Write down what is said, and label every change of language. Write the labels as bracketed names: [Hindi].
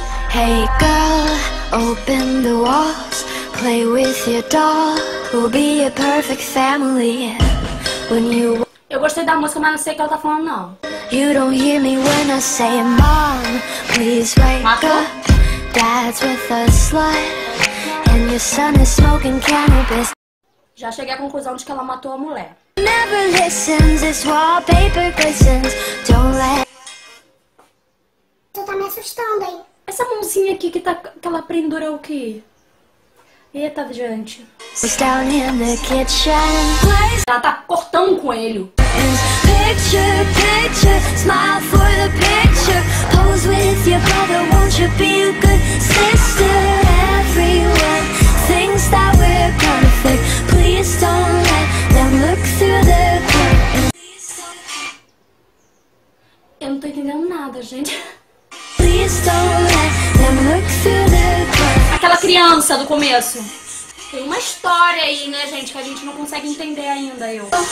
[English] Hey girl, open the walls, play with your doll. We'll be a perfect family when you. [Portuguese] Eu gostei da música, mas não sei o que ela tá falando, não. [English] You don't hear me when I say, Mom, please wake [Portuguese] Matou? [English] up. Dad's with a slut, and your son is smoking cannabis. [Portuguese] Já cheguei à conclusão de que ela matou a mulher. [English] Never listens, it's wallpaper glistens. Don't let. [Portuguese] Tu tá me assustando, hein? Essa mãozinha aqui que tá. Aquela prendura é o quê? Eita, gente. [English] Down in the kitchen. [Portuguese] Ela tá cortando com ele. [English] Picture, picture, smile for the picture. Pose with your brother, won't you be a good sister? Everyone thinks that we're perfect. Please don't let them look through the curtain. [Portuguese] Eu não tô entendendo nada, gente. [English] Please don't let them look through the curtain. [Portuguese] Aquela criança do começo. Tem uma história aí, né, gente, que a gente não consegue entender ainda, eu.